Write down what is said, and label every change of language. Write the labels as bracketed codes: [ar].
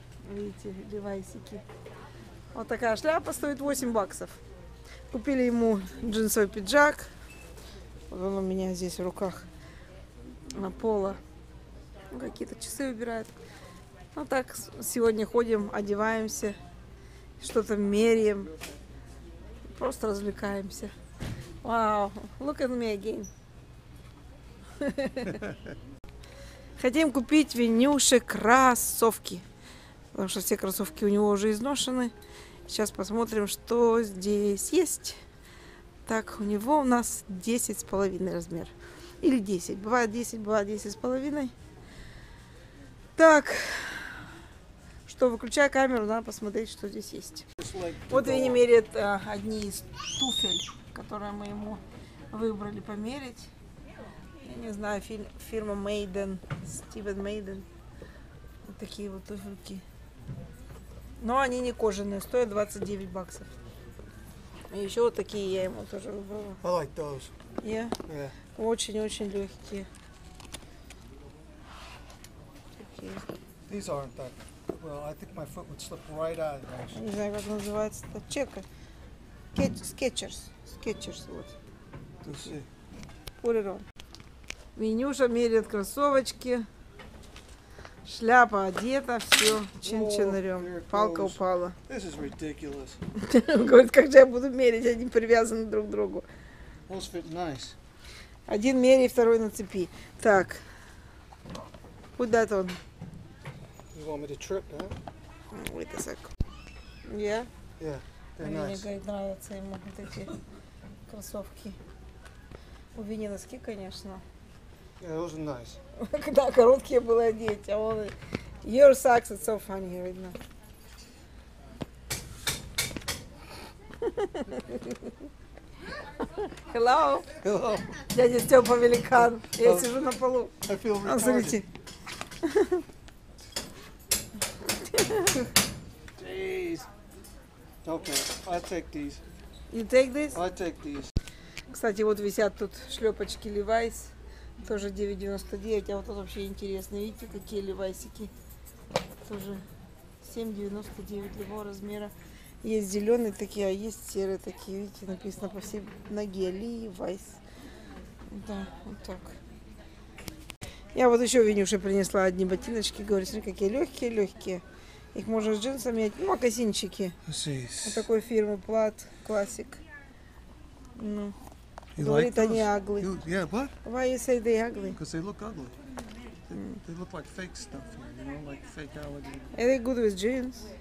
[ru] Видите, Levi's-ики. Вот такая шляпа стоит 8 баксов. Купили ему джинсовый пиджак. Вот он у меня здесь в руках. На поло. Ну, какие-то часы выбирает. Ну так, сегодня ходим, одеваемся. Что-то меряем. Просто развлекаемся. [en] Вау, look at me again. [ru] Хотим купить Винюше кроссовки. Потому что все кроссовки у него уже изношены. Сейчас посмотрим, что здесь есть. Так, у него у нас 10,5 размер. Или 10. Бывает 10, бывает 10,5. Так. Что, выключая камеру, надо посмотреть, что здесь есть. Вот Винни меряет одни из туфель, которые мы ему выбрали померить. Я не знаю, фирма Maiden, Стивен Maiden. Вот такие вот туфельки. Но они не кожаные, стоят 29 баксов. И еще вот такие я ему тоже выбрала. [en] I like those. Yeah? Yeah. [ru] Очень-очень легкие. Такие. [en] These aren't that. Well, I think my foot would slip right out of it. [ru] Не знаю, как называется это. Чека. Скетчерс. Скетчерс, вот. [en] Put it on. [ru] Винюша меряет кроссовочки. Шляпа одета, все, чин-чинарем. Палка упала. [en] This is ridiculous. [ru] Он говорит, как же я буду мерить, они привязаны друг к другу. [en] Those fit nice. [ru] Один меряй, второй на цепи. Так. Куда он? [en] You want me to trip, huh? Wait a sec. Yeah? Yeah, they're [ru] Винни, [en] nice. [ru] Мне, говорит, нравятся ему вот эти кроссовки. У Винни носки, конечно. [en] Yeah, those are nice. [ru] Когда короткие было одеть, а он... [en] Your socks are so funny right now. Hello. Hello. [ru] Дядя Степа великан. Я сижу на полу. [en] I feel retarded. [ru] А, смотрите. [en] Jeez. Okay, I take these. You take these? I take these. [ru] Кстати, вот висят тут шлепочки Levi's. Тоже 9,99, а вот тут вообще интересно, видите, какие левайсики. Тоже 7,99 любого размера. Есть зеленые такие, а есть серые такие, видите, написано по всей ноге Levi's. Да, вот так. Я вот еще Винюше принесла одни ботиночки, говорю, смотри, какие легкие-легкие. Их можно с джинсами, ну, мокасинчики. Вот такой фирмы Plat, классик. Ну. [en] You [ru] говорит, [en] like [ru] они аглы. [en] Yeah, why you say they ugly? Because they look ugly. They look like fake stuff, you know, like fake allergy. Are they good with jeans?